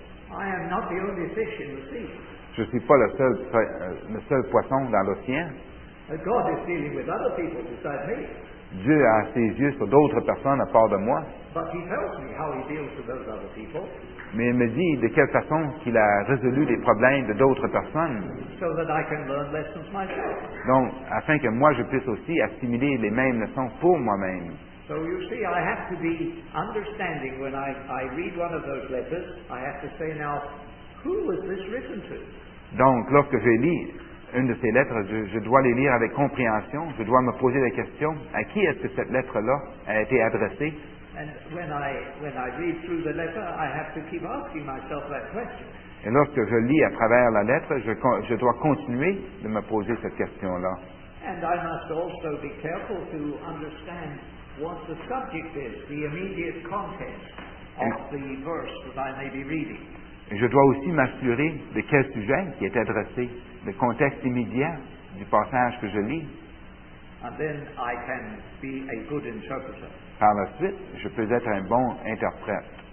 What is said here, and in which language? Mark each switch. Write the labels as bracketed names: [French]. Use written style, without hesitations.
[English] I am not the only fish in the sea. [French] Je ne suis pas le seul poisson dans l'océan. [English] God is dealing with other people besides me. [French] Dieu a ses yeux sur d'autres personnes à part de moi. [English] But he tells me how he deals with those other people. [French] Mais il me dit de quelle façon qu'il a résolu les problèmes de d'autres personnes. [English] So that I can learn lessons myself. [French] Donc, afin que moi je puisse aussi assimiler les mêmes leçons pour moi-même. [English] So you see, I have to be understanding when I read one of those letters, I have to say now, who was this written to? [French] Donc, lorsque je lis une de ces lettres, je dois les lire avec compréhension. Je dois me poser la question, à qui est-ce que cette lettre-là a été adressée? [English] And when I read through the letter, I have to keep asking myself that question. [French] Et lorsque je lis à travers la lettre, je dois continuer de me poser cette question-là. [English] And I must also be careful to understand what the subject is, the immediate context of the verse that I may be reading. [French] Je dois aussi m'assurer de quel sujet qui est adressé, le contexte immédiat du passage que je lis. [English] And then I can be a good interpreter. [French] Par la suite, je peux être un bon interprète.